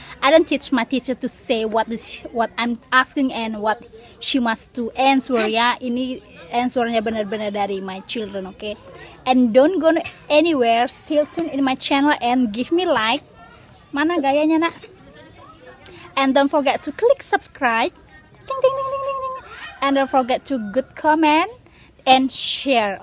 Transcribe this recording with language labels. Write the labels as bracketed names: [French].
[English] I don't teach my teacher to say what I'm asking and what she must to answer ya. [Indonesian] Ini answernya benar-benar dari [English] my children, [Indonesian] oke. [English] Okay? And don't go anywhere, still tune in my channel and give me like. [Indonesian] Mana gayanya, Nak? [English] And don't forget to click subscribe. Ding ding ding ding ding. And don't forget to good comment and share.